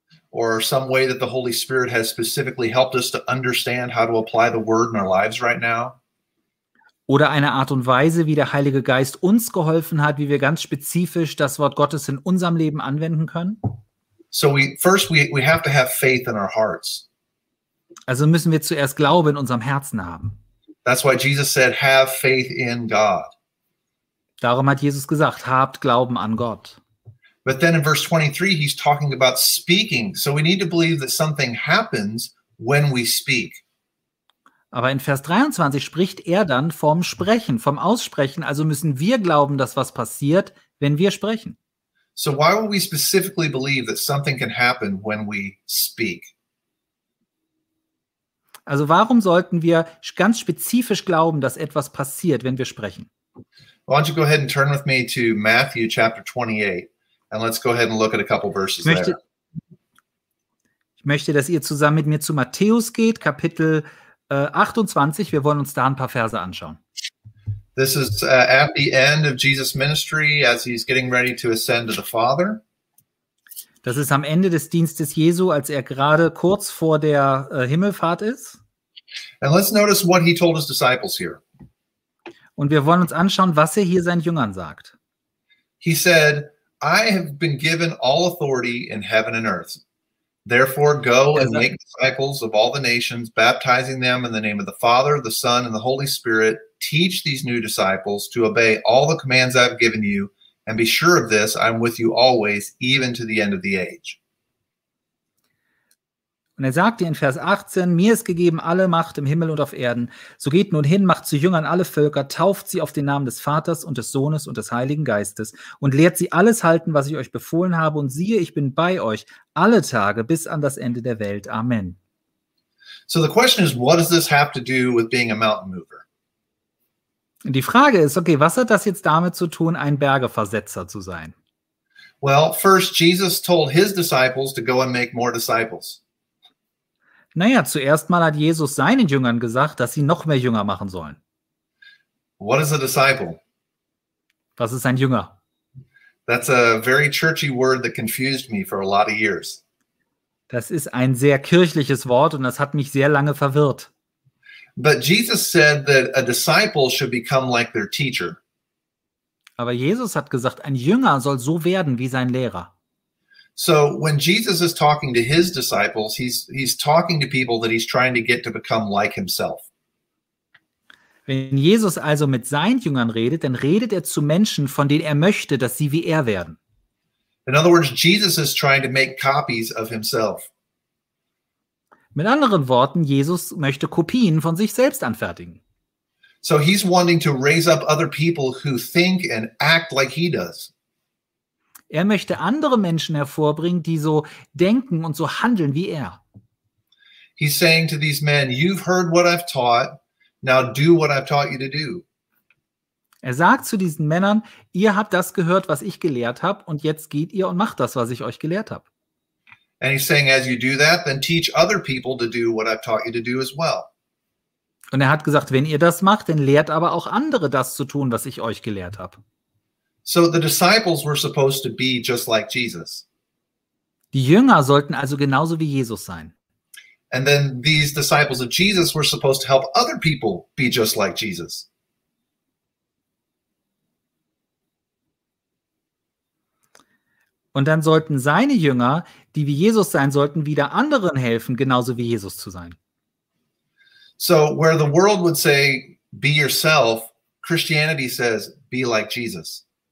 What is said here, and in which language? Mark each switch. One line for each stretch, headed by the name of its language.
English: Or some way that the Holy Spirit has specifically helped us to understand how to apply the word in our lives right now.
German: Oder eine Art und Weise, wie der Heilige Geist uns geholfen hat, wie wir ganz spezifisch das Wort Gottes in unserem Leben anwenden können.
English: So we have to have faith in our hearts.
German: Also müssen wir zuerst Glaube in unserem Herzen haben.
English: That's why Jesus said, have faith in God.
German: Darum hat Jesus gesagt, habt Glauben an Gott.
English: But then in verse 23, he's talking about speaking. So we need to believe that something happens when we speak.
German: Aber in Vers 23 spricht er dann vom Sprechen, vom Aussprechen. Also müssen wir glauben, dass was passiert, wenn wir sprechen.
English: So why would we specifically believe that something can happen when we speak?
German: Also warum sollten wir ganz spezifisch glauben, dass etwas passiert, wenn wir sprechen?
English: Why don't you go ahead and turn with me to Matthew chapter 28 and let's go ahead and look at a couple verses there.
German: Ich möchte, dass ihr zusammen mit mir zu Matthäus geht, Kapitel 28. Wir wollen uns da ein paar Verse anschauen.
English: This is at the end of Jesus' ministry as he's getting ready to ascend to the Father.
German: Das ist am Ende des Dienstes Jesu, als er gerade kurz vor der Himmelfahrt ist.
English: And let's notice what he told his disciples here.
German: Und wir wollen uns anschauen, was er hier seinen Jüngern sagt.
English: He said, I have been given all authority in heaven and earth. Therefore go and make disciples of all the nations, baptizing them in the name of the Father, the Son, and the Holy Spirit. Teach these new disciples to obey all the commands I've given you. And be sure of this, I'm with you always, even to the end of the age.
German: Und er sagte in Vers 18, mir ist gegeben alle Macht im Himmel und auf Erden. So geht nun hin, macht zu Jüngern alle Völker, tauft sie auf den Namen des Vaters und des Sohnes und des Heiligen Geistes und lehrt sie alles halten, was ich euch befohlen habe. Und siehe, ich bin bei euch alle Tage bis an das Ende der Welt. Amen.
English: So the question is, what does this have to do with being a mountain mover?
German: Die Frage ist, okay, was hat das jetzt damit zu tun, ein Bergeversetzer zu sein?
English: Well, first Jesus told his disciples to go and make more disciples.
German: Naja, zuerst mal hat Jesus seinen Jüngern gesagt, dass sie noch mehr Jünger machen sollen.
English: What is a disciple?
German: Was ist ein Jünger?
English: That's a very churchy word that confused me for a lot of years.
German: Das ist ein sehr kirchliches Wort und das hat mich sehr lange verwirrt.
English: But Jesus said that a disciple should become like their teacher.
German: Aber Jesus hat gesagt, ein Jünger soll so werden wie sein Lehrer.
English: So when Jesus is talking to his disciples, he's talking to people that he's trying to get to become like himself.
German: Wenn Jesus also mit seinen Jüngern redet, dann redet er zu Menschen, von denen er möchte, dass sie wie er werden.
English: In other words, Jesus is trying to make copies of himself.
German: Mit anderen Worten, Jesus möchte Kopien von sich selbst anfertigen.
English: So he's wanting to raise up other people who think and act like he does.
German: Er möchte andere Menschen hervorbringen, die so denken und so handeln wie er.
English: He's saying to these men, you've heard what I've taught, now do what I've taught you to do.
German: Er sagt zu diesen Männern, ihr habt das gehört, was ich gelehrt habe, und jetzt geht ihr und macht das, was ich euch gelehrt habe.
English: And he's saying, as you do that, then teach other people to do what I've taught you to do as well.
German: Und er hat gesagt, wenn ihr das macht, dann lehrt aber auch andere das zu tun, was ich euch gelehrt habe.
English: So the disciples were supposed to be just like Jesus.
German: Die Jünger sollten also genauso wie Jesus sein.
English: And then these disciples of Jesus were supposed to help other people be just like Jesus.
German: Und dann sollten seine Jünger, die wie Jesus sein sollten, wieder anderen helfen, genauso wie Jesus zu sein.
English: So where the world would say, be yourself, Christianity says, be like Jesus.